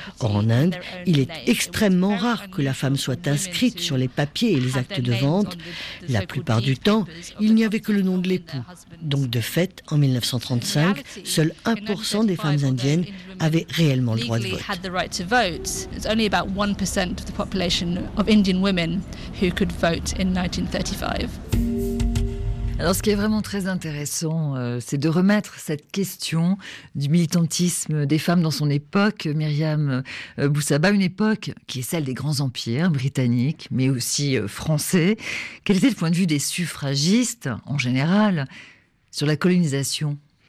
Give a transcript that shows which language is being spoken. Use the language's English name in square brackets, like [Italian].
[French] Or, en Inde, il est extrêmement rare que la femme soit inscrite sur les papiers et les actes de vente. La plupart du temps, il n'y avait que le nom de l'époux. Donc, de fait, en 1935, 1935, seul 1% des femmes indiennes avaient réellement le droit de vote. [English] It's only about 1% of the population of Indian women who could vote in 1935. [French] Alors, ce qui est vraiment très intéressant, c'est de remettre cette question du militantisme des femmes dans son époque, Myriam Boussaba, une époque qui est celle des grands empires britanniques, mais aussi français. Quel était le point de vue des suffragistes, en général, sur la colonisation ?